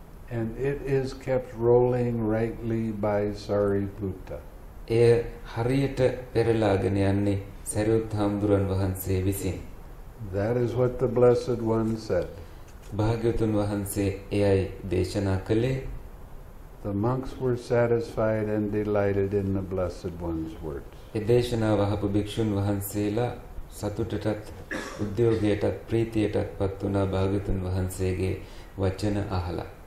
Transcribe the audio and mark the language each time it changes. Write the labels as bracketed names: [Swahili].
[English] And it is kept rolling rightly by Sariputta. [Sinhala] එය හරියට පෙරලාගෙන යන්නේ සරියුත් හාමුදුරන් වහන්සේ විසින්. [English] That is what the Blessed One said. [Sinhala] භාග්‍යවතුන් වහන්සේ එයයි දේශනා කළේ. [English] The monks were satisfied and delighted in the Blessed One's words. [Sinhala] ඒ දේශනාව අහපු භික්ෂුන් වහන්සේලා සතුටටත් උද්‍යෝගයටත් ප්‍රීතියටත් පත් වුණා භාග්‍යවතුන් වහන්සේගේ වචන අහලා.